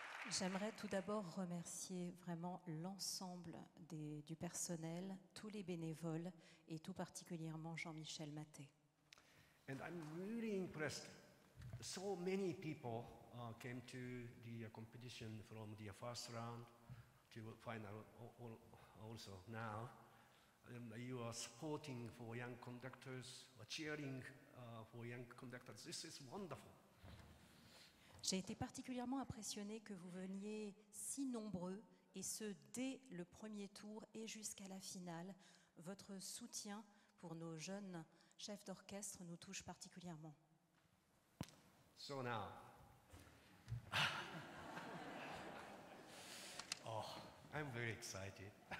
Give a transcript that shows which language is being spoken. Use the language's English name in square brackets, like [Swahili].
[French] J'aimerais tout d'abord remercier vraiment l'ensemble du personnel, tous les bénévoles et tout particulièrement Jean-Michel Maté. [English] And I'm really impressed. So many people came to the competition from the first round to final also now. And you are supporting for young conductors, cheering for young conductors. This is wonderful. [French] J'ai été particulièrement impressionnée que vous veniez si nombreux, et ce dès le premier tour et jusqu'à la finale. Votre soutien pour nos jeunes chefs d'orchestre nous touche particulièrement. [English] So now, oh, I'm very excited.